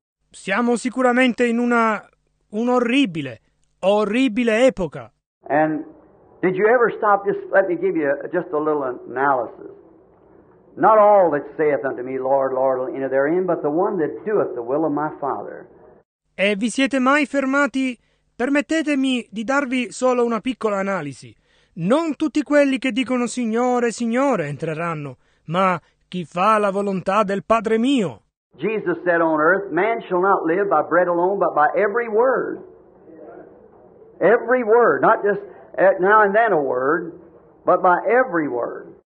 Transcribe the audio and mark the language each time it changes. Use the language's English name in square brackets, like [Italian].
[Italian] Siamo sicuramente in un'orribile epoca. [English] And did you ever stop? Just let me give you just a little analysis. Not all that saith unto me, Lord, Lord, will enter therein, but the one that doeth the will of my Father. [Italian] E vi siete mai fermati? Permettetemi di darvi solo una piccola analisi. Non tutti quelli che dicono Signore, Signore entreranno, ma chi fa la volontà del Padre mio. [English] Jesus said on earth, man shall not live by bread alone, but by every word. Every word, not just now and then a word, but by every word.